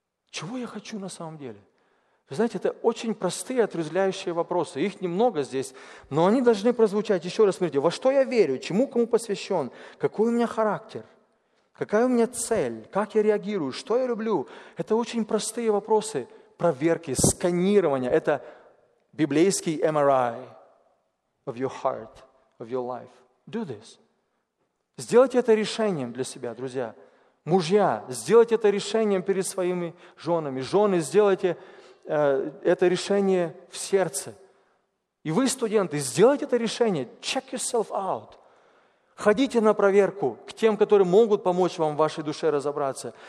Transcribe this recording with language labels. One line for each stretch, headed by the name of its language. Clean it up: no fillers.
Russian: Чего я хочу на самом деле? Вы знаете, это очень простые, отрезвляющие вопросы. Их немного здесь, но они должны прозвучать. Еще раз смотрите, во что я верю, чему, кому посвящен, какой у меня характер, какая у меня цель, как я реагирую, что я люблю. Это очень простые вопросы проверки, сканирования. Это библейский
English: MRI of your heart, of your life. Do this.
Russian: Сделайте это решением для себя, друзья. Мужья, сделайте это решением перед своими женами. Жены, сделайте это решение в сердце. И вы, студенты, сделайте это решение.
English: Check yourself out.
Russian: Ходите на проверку к тем, которые могут помочь вам в вашей душе разобраться.